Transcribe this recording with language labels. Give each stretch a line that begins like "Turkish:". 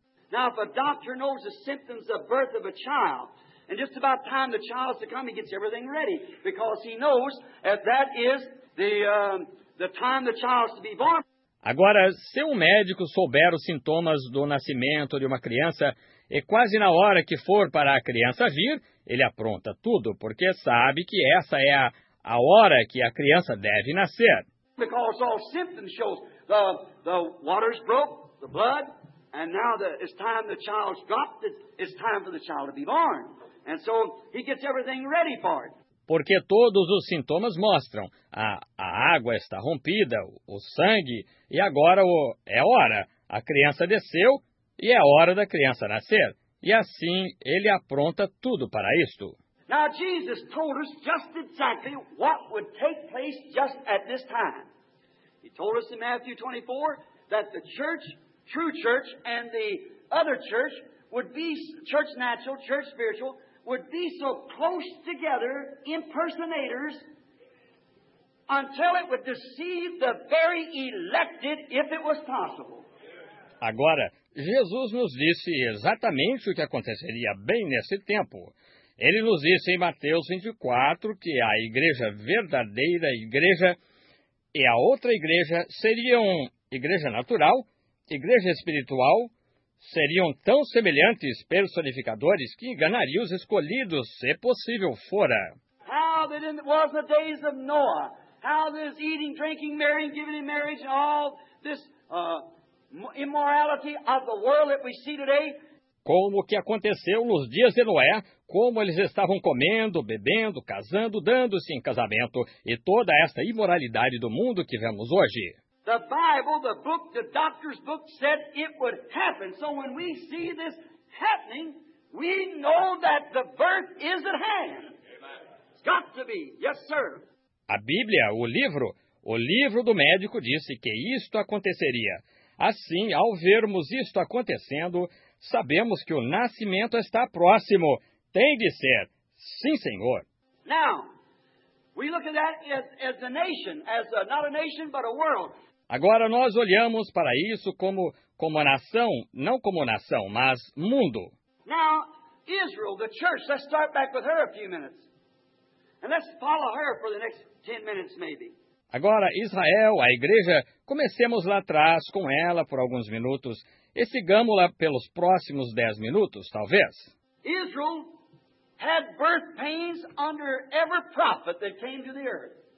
English: Now, if a doctor knows the symptoms of birth of a child, and just about time the child's to come, he gets everything ready, because he knows that that is the time the child's to be born.
Portuguese: Agora, se um médico souber os sintomas do nascimento de uma criança, e quase na hora que for para a criança vir, ele apronta tudo, porque sabe que essa é a hora que a criança deve nascer.
English: Because all symptoms show the water's broke, the blood. And now it's time the child's dropped, it's time for the child to be born. And so he gets everything ready for it.
Portuguese: Porque todos os sintomas mostram. A água está rompida, o sangue, e agora é hora. A criança desceu e é hora da criança nascer. E assim ele apronta tudo para isto.
English: Now Jesus told us just exactly what would take place just at this time. He told us in Matthew 24 that the church, true church, and the other church would be church natural, church spiritual, would be so close together, impersonators, until it would deceive the very elected, if it was possible.
Portuguese: Agora, Jesus nos disse exatamente o que aconteceria bem nesse tempo. Ele nos disse em Mateus 24 que a igreja verdadeira, igreja, e a outra igreja seriam igreja natural, igreja espiritual, seriam tão semelhantes personificadores que enganariam os escolhidos, se possível fora.
English: How that in was the days of Noah, how this eating, drinking, marrying, giving in marriage, and all this immorality of the world that we see today.
Portuguese: Como que aconteceu nos dias de Noé, como eles estavam comendo, bebendo, casando, dando-se em casamento, e toda esta imoralidade do mundo que vemos hoje.
English: The Bible, the book, the doctor's book said it would happen. So when we see this happening, we know that the birth is at hand. Amen. It's got to be. Yes, sir.
Portuguese: A Bíblia, o livro do médico disse que isto aconteceria. Assim, ao vermos isto acontecendo, sabemos que o nascimento está próximo. Tem de ser. Sim, Senhor.
English: Now, we look at that as a nation, as a, not a nation, but a world.
Portuguese: Agora nós olhamos para isso como nação, não como nação, mas mundo.
English: Now, Israel, the church, let's start back with her a few minutes. And let's follow her for the next 10 minutes, maybe.
Portuguese: Agora, Israel, a igreja, comecemos lá atrás com ela por alguns minutos e sigamos-la pelos próximos 10 minutos, talvez.
English: Israel had birth pains under every prophet that came to the earth.